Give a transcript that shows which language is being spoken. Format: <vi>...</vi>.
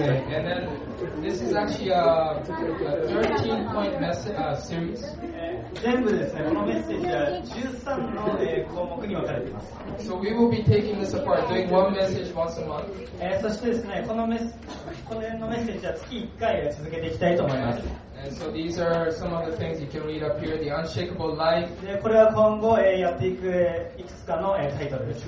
<en>And then, this is actually a 13-point message, series.</en> <ja>全部ですね、このメッセージは13の項目に分かれています。</ja> <en>So we will be taking this apart, doing one message once a month.</en> <ja>そしてですね、このメッセージは月1回続けていきたいと思います。</ja> <en>And so these are some of the things you can read up here, the unshakable life.</en> <ja>で、これは今後やっていくいくつかのタイトルです。</ja>